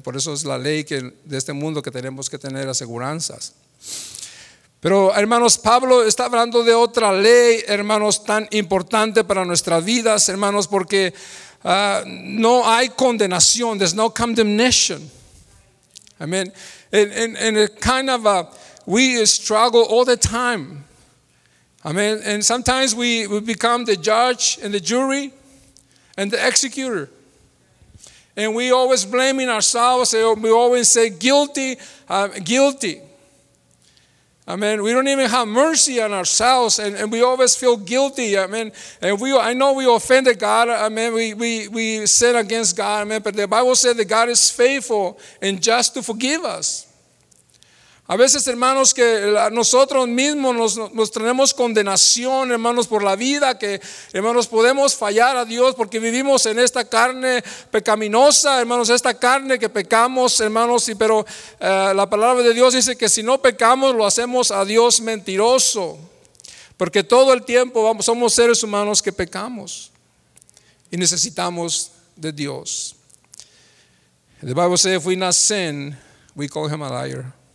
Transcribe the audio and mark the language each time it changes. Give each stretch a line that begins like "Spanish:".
Spanish: Por eso es la ley que de este mundo que tenemos que tener aseguranzas. Pero, hermanos, Pablo está hablando de otra ley, hermanos, tan importante para nuestras vidas, hermanos, porque no hay condenación,
English: there's no condemnation. Amen. And it kind of, we struggle all the time. Amen. And sometimes we become the judge and the jury and the executor. And we always blaming ourselves, we always say guilty, guilty. I mean, we don't even have mercy on ourselves, and we always feel guilty. I mean, and I know we offended God. I mean, we sin against God. I mean, but the Bible said that God is faithful and just to forgive us.
Spanish: A veces, hermanos, que nosotros mismos nos tenemos condenación, hermanos, por la vida, que, hermanos, podemos fallar a Dios porque vivimos en esta carne pecaminosa, hermanos, esta carne que pecamos, hermanos, pero la palabra de Dios dice que si no pecamos, lo hacemos a Dios mentiroso, porque todo el tiempo somos seres humanos que pecamos y necesitamos de Dios.
English: The Bible says, if we not sin, we call him a liar.